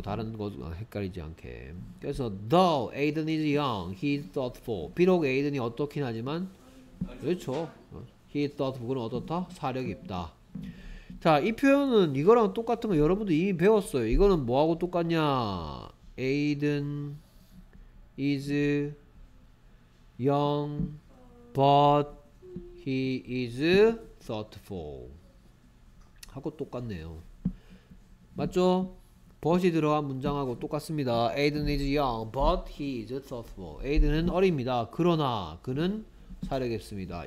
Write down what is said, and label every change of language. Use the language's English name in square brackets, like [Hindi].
[Korean] 다른 것 헷갈리지 않게. 그래서 [English] though Aiden is young, he's thoughtful. [Korean] 비록 Aiden이 어떻긴 하지만 그렇죠. [English] He's thoughtful. [Korean] 그건 어떻다? 사려깊다. 자, 이 표현은 이거랑 똑같은 거 여러분도 이미 배웠어요. 이거는 뭐하고 똑같냐? [English] Aiden is young but he is thoughtful [Korean] 하고 똑같네요. 맞죠? but이 들어간 문장하고 똑같습니다. [English] Aiden is young but he is thoughtful. [Korean] Aiden은 어립니다. 그러나 그는 사려깊습니다.